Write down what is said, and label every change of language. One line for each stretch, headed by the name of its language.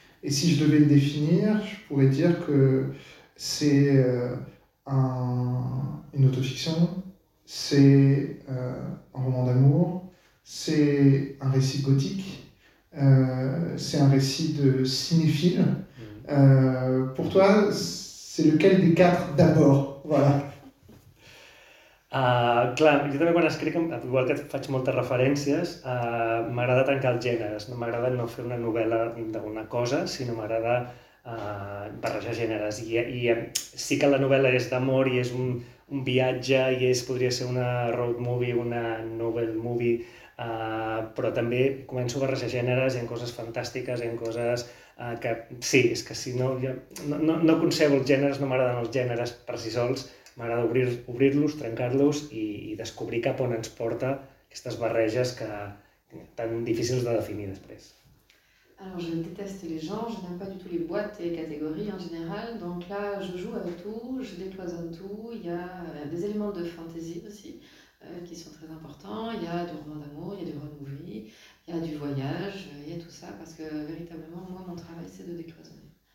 French: Et si je devais le définir, je pourrais dire que c'est une autofiction, c'est un roman d'amour, c'est un récit gothique, c'est un récit de cinéphile. Pour toi, c'est lequel des quatre d'abord ? Voilà.
Catalan: Clar, jo també quan escric, igual que faig moltes referències, m'agrada tancar els gèneres, no m'agrada no fer una novel·la d'una cosa, sinó m'agrada barrejar gèneres. I sí que la novel·la és d'amor i és un viatge i podria ser una road movie, una novel movie, però també començo a barrejar gèneres, hi ha coses fantàstiques, hi ha coses que... Sí, és que si no... No concebo els gèneres, no m'agraden els gèneres per si sols, m'agrada obrir-los, trencar-los i descobrir cap on ens porta aquestes barreges que tan difícils de definir després.
French: Alors, je déteste les gens, je n'aime pas du tout les boîtes et les catégories en général, donc là, je joue avec tout, je décloisonne tout, il y a des éléments de fantasy aussi qui sont très importants, il y a du roman d'amour, il y a du road movie, il y a du voyage, il y a tout ça, parce que véritablement, moi, mon travail, c'est de décloisonner.